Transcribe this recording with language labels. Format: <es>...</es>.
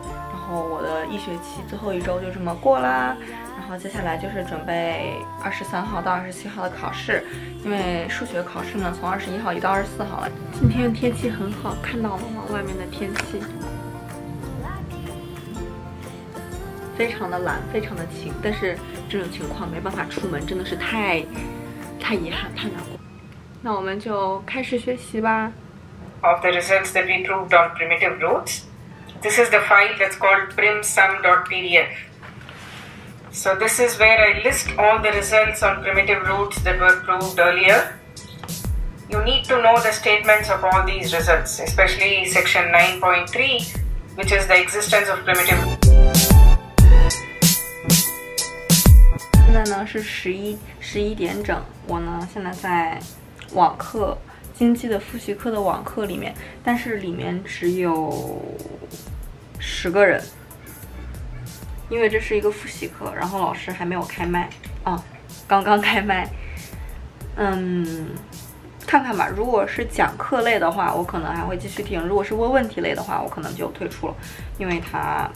<zh>然后我的一学期最后一周就这么过啦。然后接下来就是准备23号到27号的考试，因为数学考试呢从21号移到24号了。今天天气很好，看到了吗？外面的天气。非常的懒，非常的勤，但是这种情况没办法出门，真的是太遗憾，太难过。那我们就开始学习吧。</zh> <en>Of the results that we proved on primitive roots, this is the file that's called primsum.pdf. So this is where I list all the results on primitive roots that were proved earlier. You need to know the statements of all these results, especially section 9.3, which is the existence of primitive roots.</en> <zh>现在呢是十一点整，我呢现在在网课，经济的复习课的网课里面，但是里面只有10个人，因为这是一个复习课，然后老师还没有开麦啊，刚刚开麦，看看吧，如果是讲课类的话，我可能还会继续听，如果是问问题类的话，我可能就退出了，因为他。</zh>